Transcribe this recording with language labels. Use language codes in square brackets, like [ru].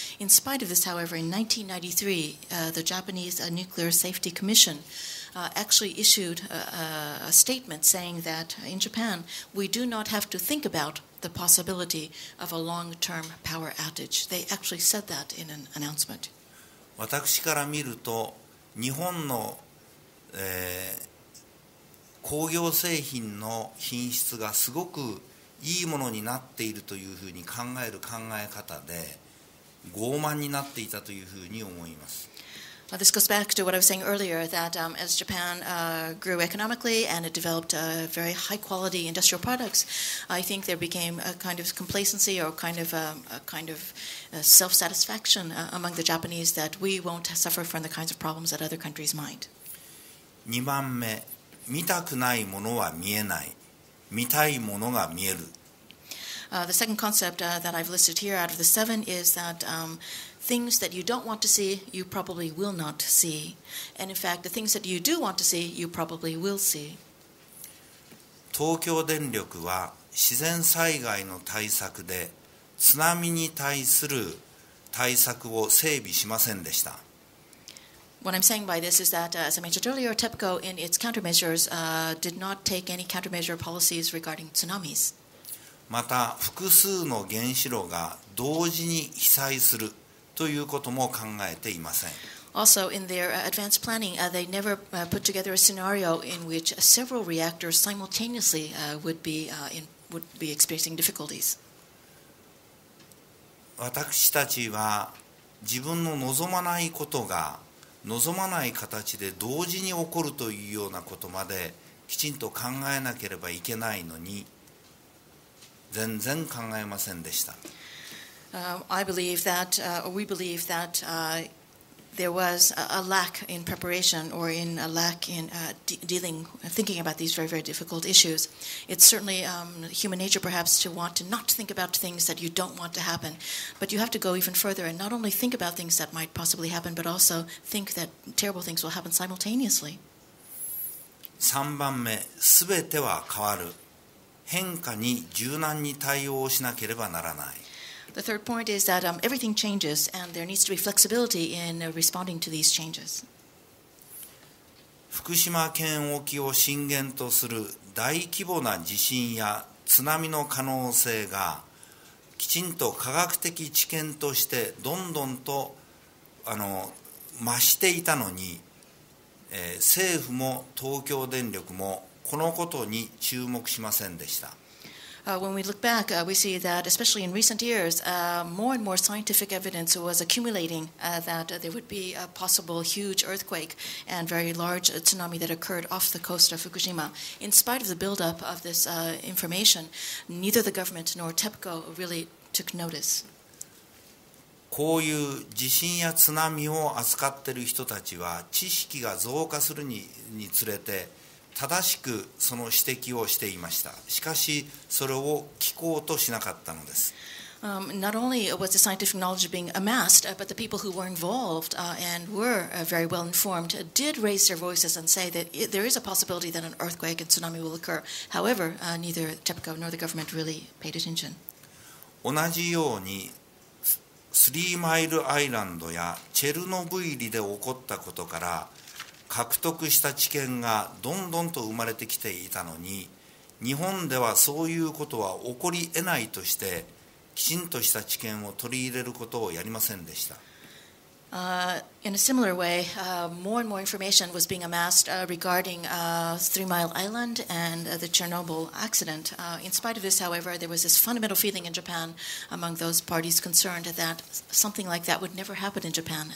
[en] In spite of this, however, in 1993, the Japanese Nuclear Safety Commission actually issued a statement saying that in Japan, we do not have to think about the possibility of a long-term power outage. They actually said that in an announcement. [ja] 私から見ると日本の、工業製品の品質がすごくいいものになっているというふうに考える考え方で傲慢になっていたというふうに思います。 [en] This goes back to what I was saying earlier, that as Japan grew economically and it developed very high-quality industrial products, I think there became a kind of complacency or kind of a kind of self-satisfaction among the Japanese that we won't suffer from the kinds of problems that other countries might. [ja] 2番目、見たくないものは見えない。見たいものが見える。 [en] The second concept that I've listed here out of the seven is that things that you don't want to see, you probably will not see. And in fact, the things that you do want to see, you probably will see. [ja] 東京電力は自然災害の対策で津波に対する対策を整備しませんでした。 [en] What I'm saying by this is that, as I mentioned earlier, TEPCO in its countermeasures, did not take any countermeasure policies regarding tsunamis. [ja] また、複数の原子炉が同時に被災する。ということも考えていません。 [en] Also, in their advanced planning, they never put together a scenario in which several reactors simultaneously would be experiencing difficulties. [ja] 私たちは自分の望まないことが望まない形で同時に起こるというようなことまできちんと考えなければいけないのに、全然考えませんでした。 [en] I believe that, or we believe that there was a lack in preparation or in a lack in dealing, thinking about these very, very difficult issues. It's certainly human nature perhaps to want to not think about things that you don't want to happen. But you have to go even further and not only think about things that might possibly happen, but also think that terrible things will happen simultaneously. [ja] 3番目、すべては変わる。変化に柔軟に対応しなければならない。 [en] The third point is that everything changes and there needs to be flexibility in responding to these changes. [ja] 福島県沖を震源とする大規模な地震や津波の可能性がきちんと科学的知見としてどんどんと増していたのに、政府も東京電力もこのことに注目しませんでした。 [en] When we look back, we see that, especially in recent years, more and more scientific evidence was accumulating that there would be a possible huge earthquake and very large tsunami that occurred off the coast of Fukushima. In spite of the buildup of this information, neither the government nor TEPCO really took notice. [ja] こういう地震や津波を扱っている人たちは、知識が増加するにつれて、正しくその指摘をしていました。しかし、それを聞こうとしなかったのです。 [en] Not only was the scientific knowledge being amassed, but the people who were involved and were very well informed did raise their voices and say that there is a possibility that an earthquake and tsunami will occur. However, neither TEPCO nor the government really paid attention. [ja] 同じように、スリーマイルアイランドやチェルノブイリで起こったことから、獲得した知見がどんどんと生まれてきていたのに、日本ではそういうことは起こり得ないとして、きちんとした知見を取り入れることをやりませんでした。 [en] In a similar way, more and more information was being amassed regarding Three Mile Island and the Chernobyl accident. In spite of this, however, there was this fundamental feeling in Japan among those parties concerned that something like that would never happen in Japan.